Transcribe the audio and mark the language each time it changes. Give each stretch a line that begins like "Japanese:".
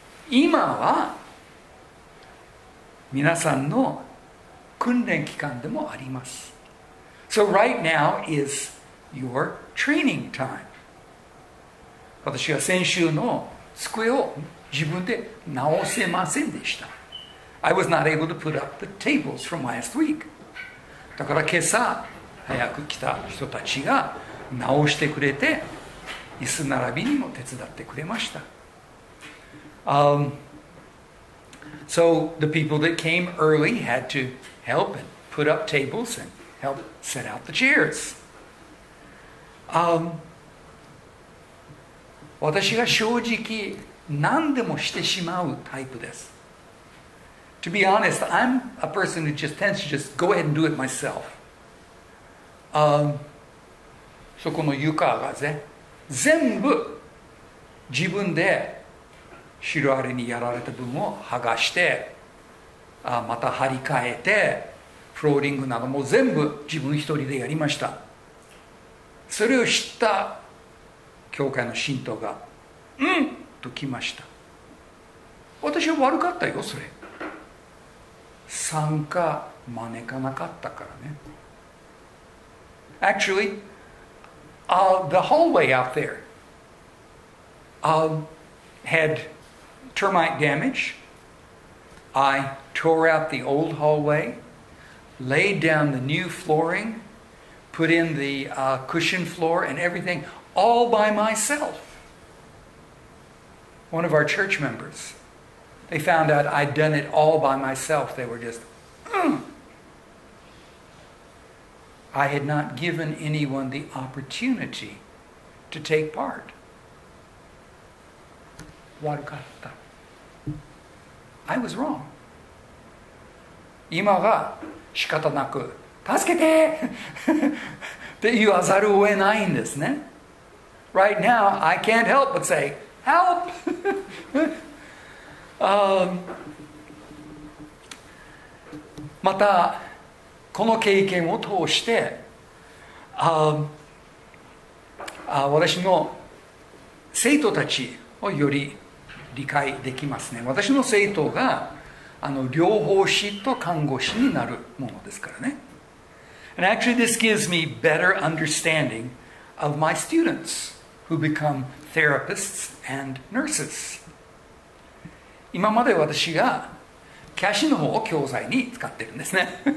Japanese: 今は皆さんの訓練期間でもあります。
English: So right now is your training time.
Japanese: 私は先週の机を自分で直せませんでした。
English: I was not able to put up the tables from last week.
Japanese: だから今朝早く来た人たちが直してくれて、椅子並びにも手伝ってくれました。
English: So the people that came early had to help and put up tables and help set out the chairs.
Japanese: 私が正直何でもしてしまうタイプです。
English: To be honest, I'm a person who just tends to just go ahead and do it myself.
Japanese: そこの床がぜ、全部自分でシロアリにやられた分を剥がして、また張り替えて、フローリングなども全部自分一人でやりました。それを知った教会の信徒が、うんと来ました。私は悪かったよ、それ。参加招かなかったからね。
English: Actually, the hallway out there had termite damage. I tore out the old hallway, laid down the new flooring, put in the cushion floor and everything all by myself. One of our church members, they found out I'd done it all by myself. They were just, I had not given anyone the opportunity to take part.
Japanese: 悪かった。
English: I was wrong.
Japanese: 今が仕方なく、助けてって言わざるを得ないんですね。
English: Right now, I can't help but say, help!
Japanese: また、この経験を通して、私の生徒たちをより理解できますね。私の生徒が療法士と看護師になるものですからね。
English: And actually this gives me better understanding of my students who become therapists and nurses.
Japanese: 今まで私がキャシーの方を教材に使ってるんですね。